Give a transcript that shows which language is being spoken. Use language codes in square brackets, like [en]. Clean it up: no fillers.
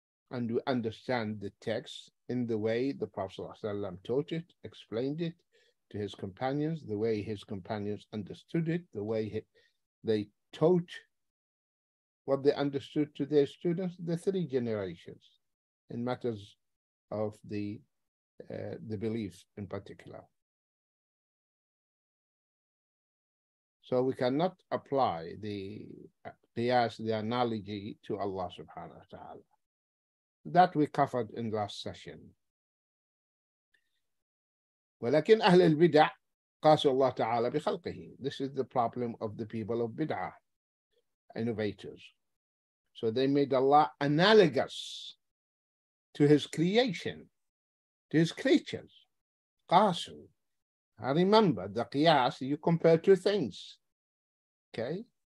[en] And to understand the text in the way the Prophet ﷺ taught it, explained it to his companions, the way his companions understood it, the way they taught what they understood to their students, the three generations, in matters of the belief in particular. So we cannot apply the qiyas, the analogy, to Allah subhanahu wa ta'ala. That we covered in last session. [ar] ولكن أهل البدع قاسوا الله تعالى بخلقه. [en] This is the problem of the people of bid'ah, innovators. So they made Allah analogous to his creation, to his creatures. [ar] قاسوا. [en] I remember the qiyas, you compare two things. Okay.